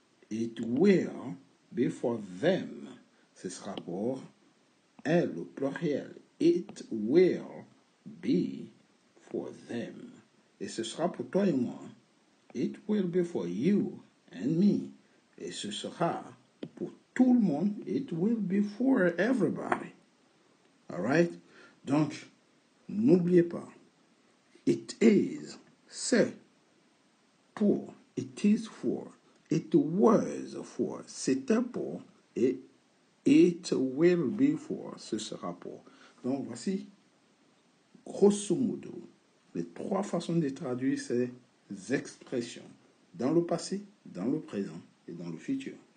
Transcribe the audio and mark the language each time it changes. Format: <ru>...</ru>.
<en>It will be for them.</en> <fr>Ce sera pour elle, au pluriel.</fr> <en>It will be for them.</en> <fr>Et ce sera pour toi et moi.</fr> <en>It will be for you and me.</en> <fr>Et ce sera pour tout le monde.</fr> <en>It will be for everybody. All right?</en> <fr>Donc, n'oubliez pas.</fr> <en>It is,</en> <fr>c'est pour,</fr> <en>it is for, it was for,</en> <fr>c'était pour,</fr> <en>et it will be for,</en> <fr>ce sera pour. Donc voici, grosso modo, les trois façons de traduire ces expressions, dans le passé, dans le présent et dans le futur.</fr>